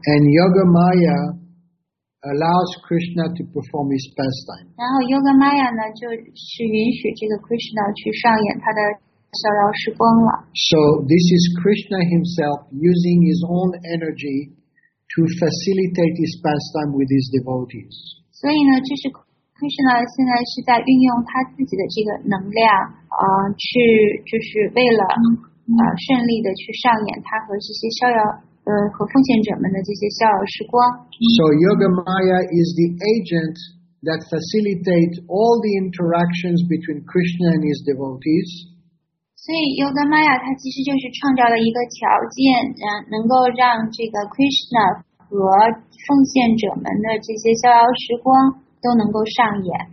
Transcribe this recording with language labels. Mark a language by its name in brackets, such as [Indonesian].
[English] And Yoga Maya allows Krishna to perform his pastime. [Chinese] 然后 Yoga Maya 呢，就是允许这个 Krishna 去上演他的逍遥时光了。 [English] So this is Krishna himself using his own energy to facilitate his pastime with his devotees. [Chinese] 所以呢，这是。 Krishna 现在是在运用他自己的这个能量，去就是为了顺利的去上演他和这些逍遥，和奉献者们的这些逍遥时光。 [English] So Yoga Maya is the agent that facilitates all the interactions between Krishna and his devotees. [Chinese] 所以 Yoga Maya 它其实就是创造了一个条件，能够让这个 Krishna 和奉献者们的这些逍遥时光。都能够上演。